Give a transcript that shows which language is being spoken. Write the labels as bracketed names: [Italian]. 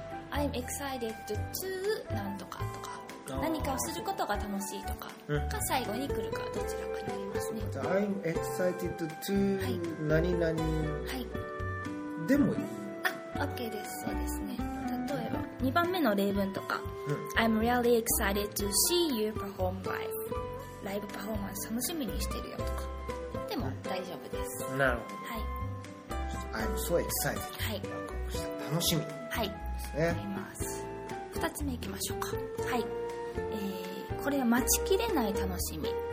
[English] I'm excited to [Japanese] なんとかとか、何かをすることが楽しいとかが最後に来るかどちらかになりますね。じゃあ [English] I'm excited to [Japanese] 何々、はいはい、でもいい。あ、OK です。そうですね、例えば2番目の例文とか、うん、 [English] I'm really excited to see you perform live。 [Japanese] ライブパフォーマンス楽しみにしてるよとかでも大丈夫です。なるほど、はい、 [English] I'm so excited、 [Japanese] はい、楽しみ、はい、ですね。あります。 2つ目いきましょうか、はい、これは待ちきれない楽しみ、